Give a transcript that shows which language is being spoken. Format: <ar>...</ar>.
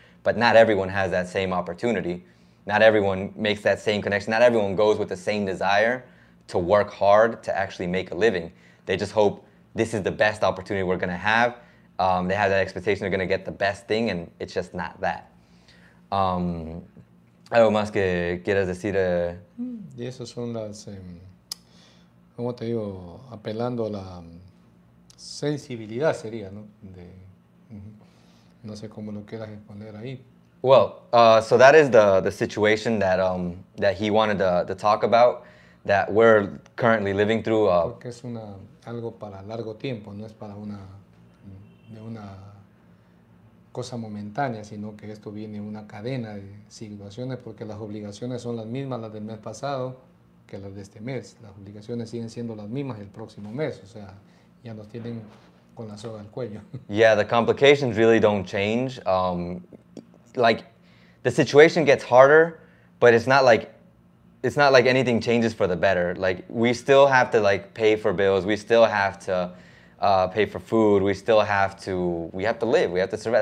<en>But not everyone has that same opportunity. Not everyone makes that same connection. Not everyone goes with the same desire to work hard to actually make a living. They just hope this is the best opportunity we're gonna have. They have that expectation they're gonna get the best thing, and it's just not that.</en> <es>¿Algo más que quieras decir? Y esas son las, como te digo, apelando a la sensibilidad sería, ¿no? De, no sé cómo lo quieras exponer ahí.</es> <en>Well, so that is the situation that that he wanted to talk about, that we're currently living through.</en> <es>Porque es una, algo para largo tiempo, no es para una, de una cosa momentánea, sino que esto viene una cadena de situaciones, porque las obligaciones son las mismas las del mes pasado que las de este mes. Las obligaciones siguen siendo las mismas el próximo mes, o sea, ya nos tienen con la soga al cuello.</es> <en>Yeah, the complications really don't change. Like, the situation gets harder, but it's not like anything changes for the better. Like, we still have to, like, pay for bills. We still have to pay for food. We still have to, we have to live. We have to survive.</en>